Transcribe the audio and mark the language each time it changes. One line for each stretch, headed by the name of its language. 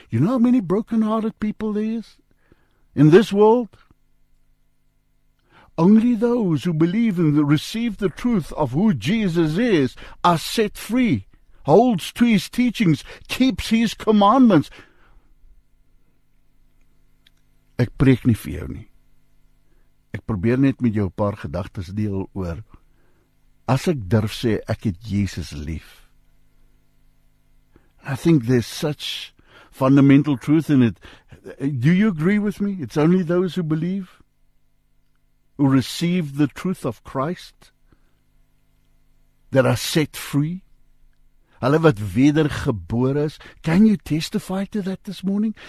English: You know how many broken-hearted people there is in this world? Only those who believe and receive the truth of who Jesus is are set free, holds to his teachings, keeps his commandments.
Afrikaans: Ek preek nie vir jou nie. Ek probeer net met jou 'n paar gedagtes deel oor, as ek durf sê, ek het Jesus lief.
English: I think there's such fundamental truth in it. Do you agree with me? It's only those who believe, who receive the truth of Christ, that are set free.
Afrikaans: Hulle wat wedergebore is.
English: Can you testify to that this morning?